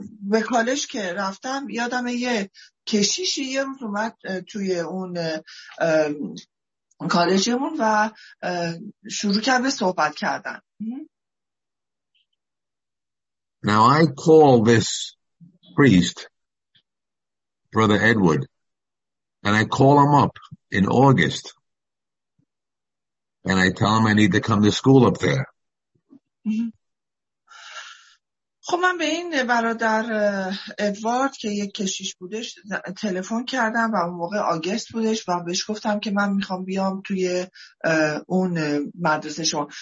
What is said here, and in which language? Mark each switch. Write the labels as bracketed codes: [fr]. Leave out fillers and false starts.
[fa] به کالج که رفتم یادم یه کشیشی یه روز اومد توی اون کالجمون و شروع کرد به صحبت کردن. [en] Now I call this priest Brother Edward and I call him up in August and I tell him I need to come to school up there. [fa] خب من به این برادر ادوارد که یک کشیش بودش تلفن کردم و اون موقع آگست بودش و بهش گفتم که من میخوام بیام توی اون مدرسه شما.